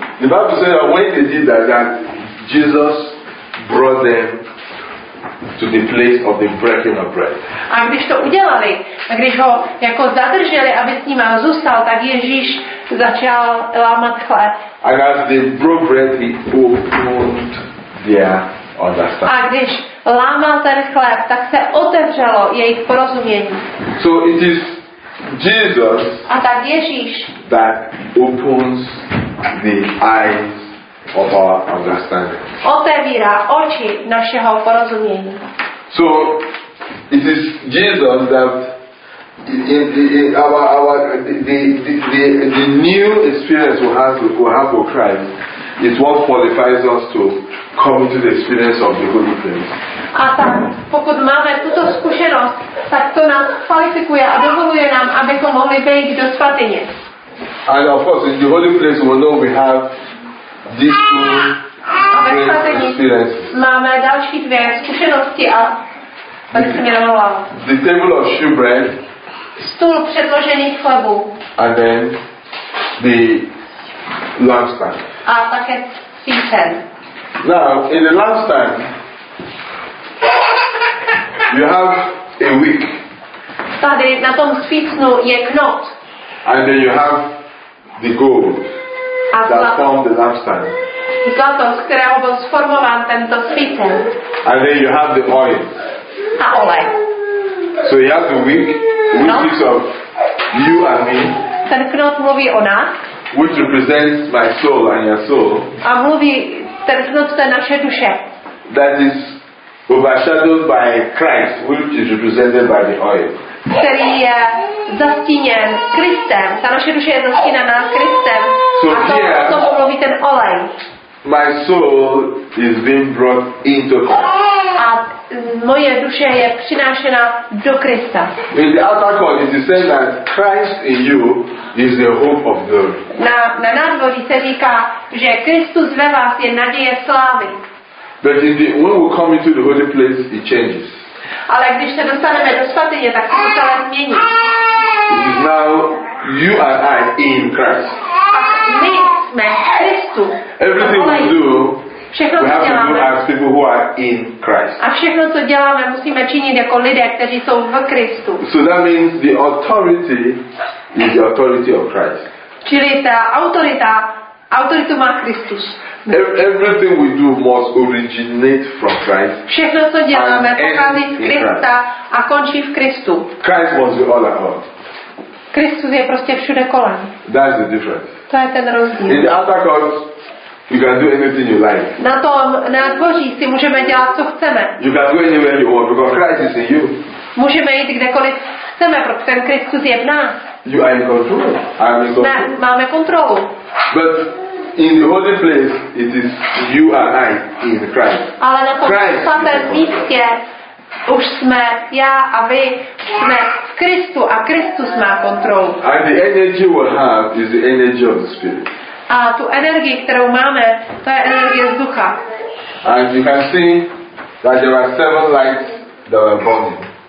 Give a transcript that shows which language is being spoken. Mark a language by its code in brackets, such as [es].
[en] The Bible says that when they did that, Jesus brought them to the place of the breaking of bread. [cs] A když to udělali, když ho jako zadrželi, aby s ním zůstal, tak Ježíš začal lámat chléb. [en] And as they broke bread, he opened their understanding. [cs] A když lámal ten chléb, tak se otevřelo jejich porozumění. [en] So it is Jesus. [cs] A tak Ježíš. [en] That opens the eyes of our understanding. [cs] Otevírá oči našeho porozumění. [en] So it is Jesus that the new experience we have with Christ is what qualifies us to come into the experience of the Holy Spirit. [cs] A tak, pokud máme tuto zkušenost, tak to nás kvalifikuje a dovoluje nám, abychom mohli vejít do svatyně. [en] And of course, in the Holy Spirit, we know we have these two great experiences. [cs] Máme další dvě zkušenosti a [en] the table of shewbread. [cs] Stůl předložených chlebů. [en] And then the lampstand. [cs] A také svícen. [en] Now, in the lampstand, you have a wick. [cs] Tady na tom svícnu je knot. [en] And then you have the gold. That formed the lampstand. [cs] Zlato, z kterého byl sformován tento svícen. [en] And then you have the oil. [cs] A olej. [en] So you have the wick, which speaks of you and me. [cs] Ten knot mluví o nás. [en] Which represents my soul and your soul. [cs] A mluví ten knot, to je naše duše. [en] That is overshadowed by Christ, which is represented by the oil. [cs] Který je zastíněn Kristem. Ta naše duše je zastíněna Kristem. [en] So [cs] a to mluví ten olej. [en] My soul is being brought into Christ. [cs] A moje duše je přinášena do Krista. [en] In the outer court, it is saying that Christ in you is the hope of glory. [cs] Na nádvoří se říká, že Kristus ve vás je naděje slávy. [en] But when we come into the holy place, it changes. [cs] Ale když se dostaneme do svatyně, tak se to celé změní. [en] Now you and I in Christ. [cs] My jsme v Kristu. [en] Everything we do, [cs] všechno, [en] we have to do as people who are in Christ. [cs] A všechno, co děláme, musíme činit jako lidé, kteří jsou v Kristu. [en] So that means the authority is the authority of Christ. [cs] Čili ta autoritu má Kristus. [en] Everything we do must originate from Christ. [cs] Všechno, co děláme, pochází z Krista a končí v Kristu. [en] Christ must be all at all. [cs] Kristus je prostě všude kolem. [en] That's the difference. [cs] To je ten rozdíl. [en] In the outer court, you can do anything you like. [cs] Na tom nádvoří si můžeme dělat, co chceme. [en] You can go anywhere you want because Christ is in you. [cs] Můžeme jít kdekoliv chceme, protože ten Kristus je v nás. [en] You are in control. I'm in control. [cs] Ne, máme kontrolu. [en] But in the holy place, it is you and I in Christ. [cs] Ale na tom svatém místě už jsme já a vy jsme v Kristu a Kristus má kontrolu. [en] And the energy we have is the energy of the Spirit. [cs] A tu energii, kterou máme, to je energie z Ducha. [en] And you can see that there are seven lights that are burning.